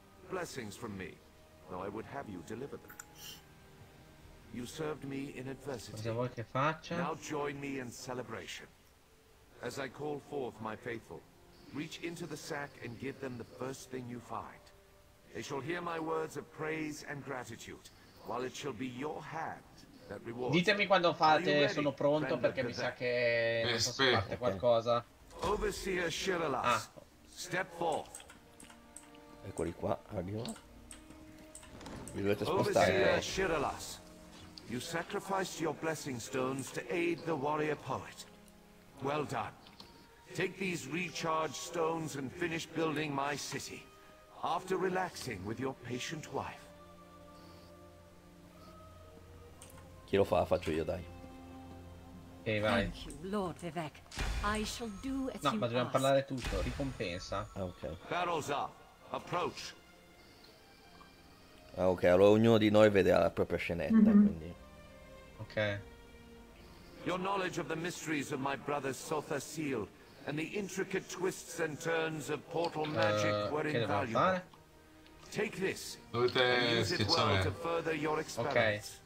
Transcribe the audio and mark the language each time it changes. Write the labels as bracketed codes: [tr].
[en] Blessings from me, though I would have you deliver them. You served me in adversity. Now join me in celebration. As I call forth my faithful, reach into the sack and give them the first thing you find. They shall hear my words of praise and gratitude, while it shall be your hand that rewards. [it] Ditemi quando fate, sono pronto, perché mi sa che non so se parte qualcosa. [en] Overseer Shirelas, step forth. [it] Eccoli qua, arrivo. Mi dovete spostare. [en] Overseer Shirelas, you sacrificed your blessing stones to aid the warrior poet. Well done. Take these recharged stones and finish building my city. After relaxing with your patient wife. [it] Chi lo fa? Faccio io, dai. E vai. [en] Thank you, Lord Vivek. I shall do as [it] no, ma dobbiamo parlare tutto. Ricompensa. Ok. [en] Barrels up. Approach. [it] Ok, allora ognuno di noi vede la propria scenetta, quindi. Ok. [en] Your knowledge of the mysteries of my brother Sotha Seal and the intricate twists and turns of portal magic were invaluable. Take this. [it] Dovete [en] and use it well to further your experiments.